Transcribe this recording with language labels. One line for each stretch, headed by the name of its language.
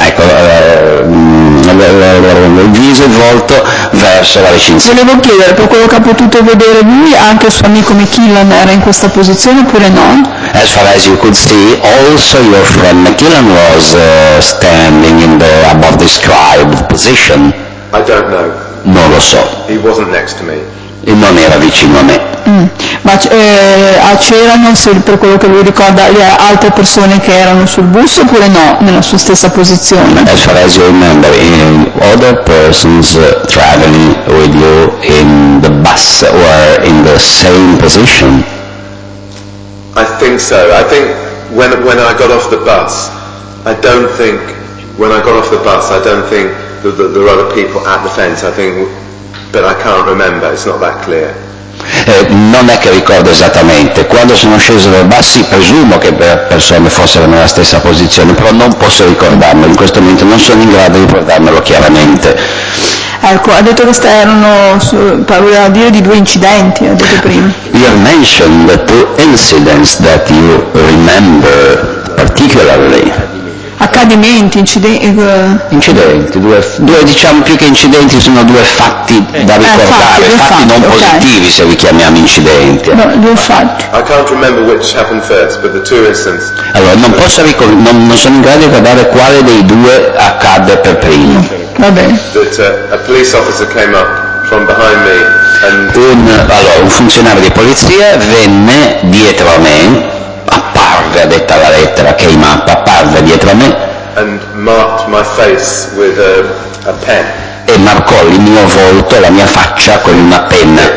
Italian: Ecco, il viso e il volto verso la recinzione. Volevo chiedere, per quello che ha potuto vedere lui, anche il suo amico McKillan era in questa posizione oppure no?
English: As far as you could see, also your friend McKillan was standing in the above described position. I don't know.
Italian: Non lo so.
English: He wasn't next to me.
Italian: E non era vicino a me. Ma c'erano, per quello che lui ricorda, altre persone che erano sul bus oppure no, nella sua stessa posizione?
English: As far as you remember, other persons traveling with you in the bus were in the same position? I think so. I think when I got off the bus, I don't think that there are other people at the fence. I think, but I can't remember. It's not that clear.
Italian: Non è che ricordo esattamente. Quando sono sceso dal bus, sì, presumo che persone fossero nella stessa posizione, però non posso ricordarmelo. In questo momento non sono in grado di ricordarmelo chiaramente. Ecco, ha detto che erano, parlo a dire, di due incidenti, ha detto prima.
English: You have mentioned the two incidents that you remember particularly.
Italian: Accadimenti, incidenti, due diciamo più che incidenti, sono due fatti da ricordare, fatti non okay. positivi, se li chiamiamo incidenti. No, due fatti.
English: I can't remember which happened first, but the two instances.
Italian: Allora, non posso non sono in grado di ricordare quale dei due accadde per primo. Va bene.
English: That a police officer came up from behind me and
Italian: un funzionario di polizia venne dietro a me. Apparve, ha detto la lettera, che i mappa, apparve dietro a me.
English: And marked my face with a pen.
Italian: E marcò il mio volto, la mia faccia con una penna.